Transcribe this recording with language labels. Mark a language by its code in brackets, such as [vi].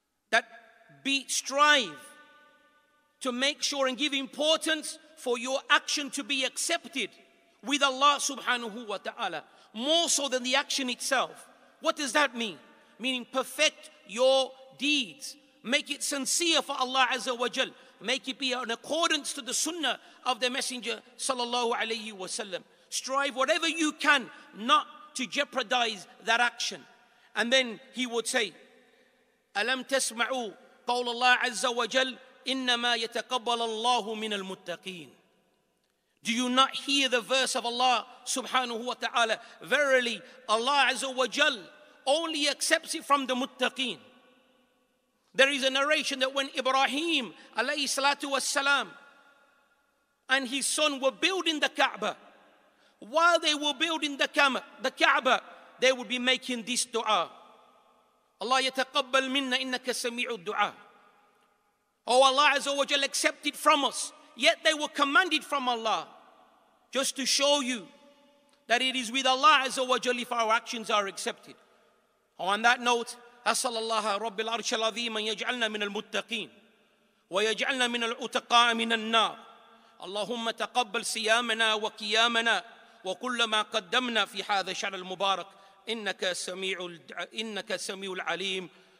[en] That be strive to make sure and give importance for your action to be accepted with Allah subhanahu wa ta'ala, more so than the action itself. What does that mean? Meaning perfect your deeds. Make it sincere for Allah Azza wa Jal. Make it be in accordance to the sunnah of the Messenger sallallahu alayhi wa sallam. Strive whatever you can not to jeopardize that action. And then he would say, [ar] أَلَمْ تَسْمَعُوا قَوْلَ اللَّهِ عَزَّ وَجَلْ إِنَّمَا يَتَقَبَّلَ اللَّهُ مِنَ الْمُتَّقِينَ. [en] Do you not hear the verse of Allah subhanahu wa ta'ala? Verily, Allah Azza wa Jal only accepts it from the muttaqeen. There is a narration that when Ibrahim alayhi salatu wasalam and his son were building the Kaaba, while they were building the Kaaba, they would be making this dua. [ar] Allah yataqabbal minna innaka sami'u dua. [en] Oh Allah Azza wa Jal, accept it from us. Yet they were commanded from Allah. Just to show you that it is with Allah Azza wa Jal if our actions are accepted. On that note, [ar] أَسَلَ اللَّهَ رَبِّ الْعَرْشَ الْعَظِيمَ يَجْعَلْنَا مِنَ الْمُتَّقِينَ وَيَجْعَلْنَا مِنَ الْعُتَقَاءَ مِنَ النَّارِ. اللهم تقبل صيامنا وقيامنا وكل ما قدمنا في هذا الشهر المبارك إنك سميع العليم.